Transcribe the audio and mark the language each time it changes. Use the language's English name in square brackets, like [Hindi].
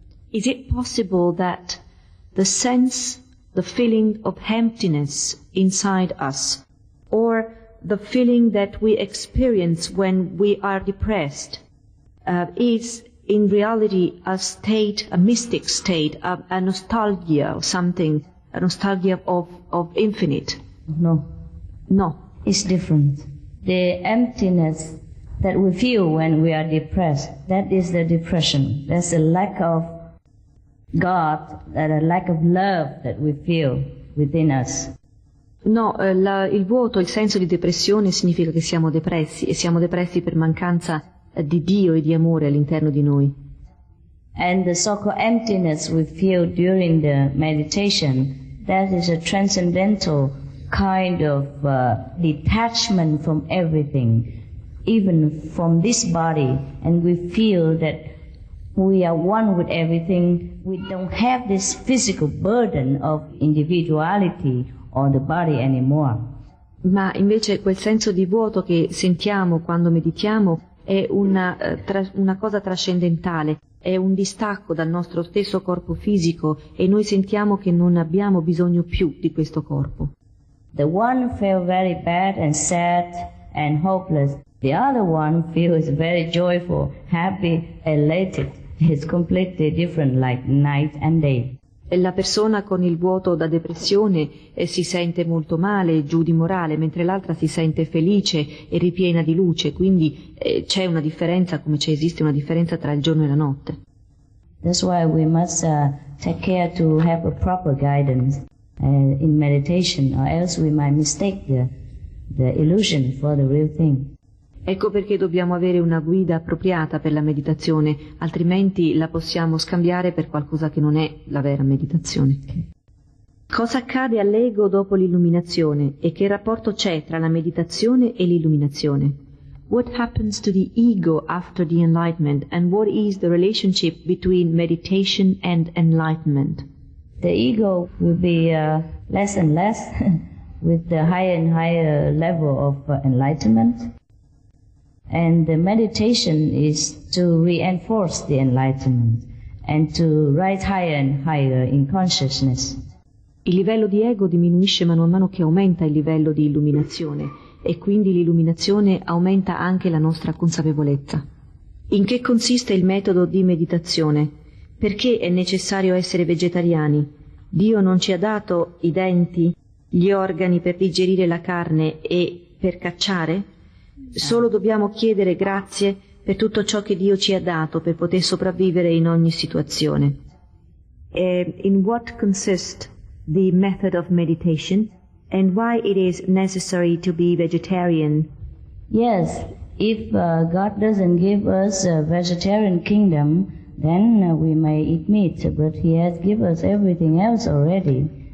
[English] Is it possible that the sense, the feeling of emptiness inside us, or the feeling that we experience when we are depressed is in reality a state, a mystic state, a nostalgia or something, a nostalgia of infinite? No. No. It's different. The emptiness that we feel when we are depressed, that is the depression. That's a lack of God, that a lack of love that we feel within us. [Italian] No, il vuoto, il senso di depressione significa che siamo depressi e siamo depressi per mancanza di Dio e di amore all'interno di noi. [English] And the so-called emptiness we feel during the meditation, that is a transcendental kind of detachment from everything, even from this body, and we feel that we are one with everything. We don't have this physical burden of individuality on the body anymore. [Italian] Ma invece quel senso di vuoto che sentiamo quando meditiamo è una cosa trascendentale, è un distacco dal nostro stesso corpo fisico e noi sentiamo che non abbiamo bisogno più di questo corpo. [English] The one feels very bad and sad and hopeless. The other one feels very joyful, happy, elated. It's completely different, like night and day. [Italian] E la persona con il vuoto da depressione si sente molto male, giù di morale, mentre l'altra si sente felice e ripiena di luce, quindi c'è una differenza, come c'è esiste una differenza tra il giorno e la notte. [English] That's why we must take care to have a proper guidance in meditation, or else we might mistake the illusion for the real thing. [Italian] Ecco perché dobbiamo avere una guida appropriata per la meditazione, altrimenti la possiamo scambiare per qualcosa che non è la vera meditazione. Cosa accade all'ego dopo l'illuminazione e che rapporto c'è tra la meditazione e l'illuminazione? [English] What happens to the ego after the enlightenment and what is the relationship between meditation and enlightenment? The ego will be less and less with the higher and higher level of enlightenment. And the meditation is to reinforce the enlightenment and to rise higher and higher in consciousness. [Italian] Il livello di ego diminuisce mano a mano che aumenta il livello di illuminazione e quindi l'illuminazione aumenta anche la nostra consapevolezza. In che consiste il metodo di meditazione? Perché è necessario essere vegetariani? Dio non ci ha dato i denti, gli organi per digerire la carne e per cacciare? Solo dobbiamo chiedere grazie per tutto ciò che Dio ci ha dato per poter sopravvivere in ogni situazione. [English] In what consists the method of meditation and why it is necessary to be vegetarian? Yes, if God doesn't give us a vegetarian kingdom, then we may eat meat, but He has given us everything else already.